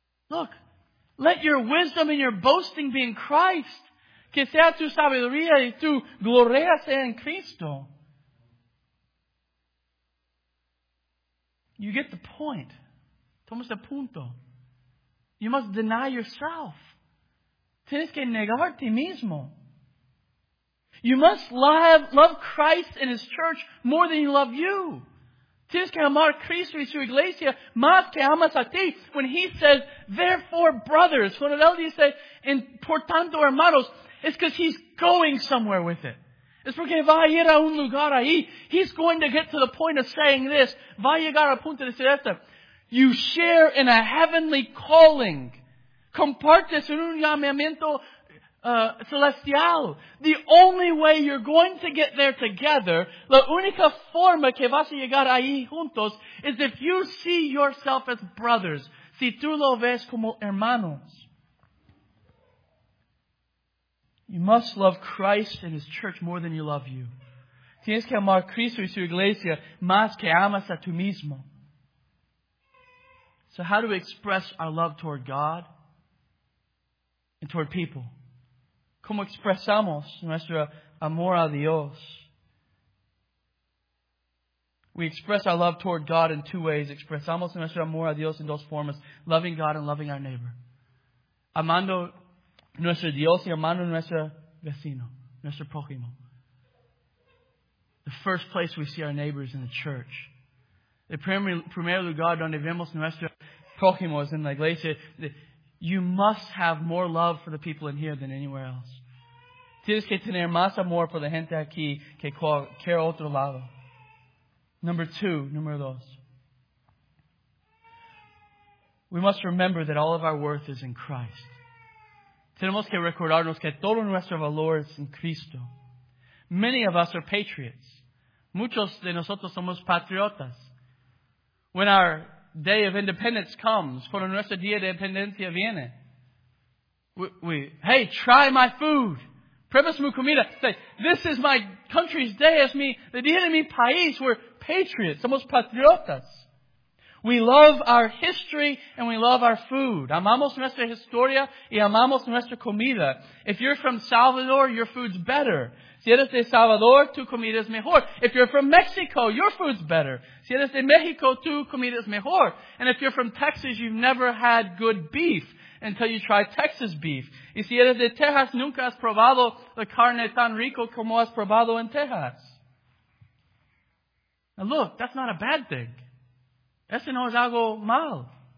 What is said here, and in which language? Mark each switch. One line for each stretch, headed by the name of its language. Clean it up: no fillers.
English: Look, let your wisdom and your boasting be in Christ.
Spanish: Que sea tu sabiduría y tu gloria sea en Cristo.
English: You get the point.
Spanish: Tomas el punto.
English: You must deny yourself.
Spanish: Tienes que negar ti mismo.
English: You must love Christ and His church more than you love you.
Spanish: Tienes que amar Cristo y su iglesia más que amas a ti.
English: When He says, therefore, brothers,
Spanish: cuando Él dice, por tanto, hermanos,
English: it's because He's going somewhere with it.
Spanish: Es porque va a ir a un lugar ahí.
English: He's going to get to the point of saying this.
Spanish: Va a llegar a punto de decir esto.
English: You share in a heavenly calling.
Spanish: Compartes en un llamamiento celestial.
English: The only way you're going to get there together,
Spanish: la única forma que vas a llegar ahí juntos,
English: is if you see yourself as brothers.
Spanish: Si tú lo ves como hermanos.
English: You must love Christ and His church more than you love you.
Spanish: Tienes que amar Cristo y su iglesia más que amas a tú mismo.
English: So how do we express our love toward God and toward people?
Spanish: ¿Cómo expresamos nuestro amor a Dios?
English: We express our love toward God in two ways.
Spanish: Expresamos nuestro amor a Dios en dos formas.
English: Loving God and loving our neighbor.
Spanish: Amando nuestro Dios y amando nuestro vecino, nuestro prójimo.
English: The first place we see our neighbors in the church.
Spanish: El primer lugar donde vemos nuestro prójimo es en la iglesia.
English: You must have more love for the people in here than anywhere else.
Spanish: Tienes que tener más amor por la gente aquí que cualquier otro lado. Número dos.
English: We must remember that all of our worth is in Christ.
Spanish: Tenemos que recordarnos que todo nuestro valor es en Cristo.
English: Many of us are patriots.
Spanish: Muchos de nosotros somos patriotas.
English: When our day of independence comes,
Spanish: cuando nuestro día de independencia viene,
English: we, hey, try my food. Premis Mucumita, say, this is my country's day.
Spanish: Es mi,
English: the
Spanish: día de mi país.
English: We're patriots.
Spanish: Somos patriotas.
English: We love our history and we love our food.
Spanish: Amamos nuestra historia y amamos nuestra comida.
English: If you're from Salvador, your food's better.
Spanish: Si eres de Salvador, tu comida es mejor.
English: If you're from Mexico, your food's better.
Spanish: Si eres de México, tu comida es mejor.
English: And if you're from Texas, you've never had good beef until you try Texas beef.
Spanish: Y si eres de Texas, nunca has probado la carne tan rico como has probado en Texas.
English: Now look, that's not a bad thing.
Spanish: Eso no es algo mal.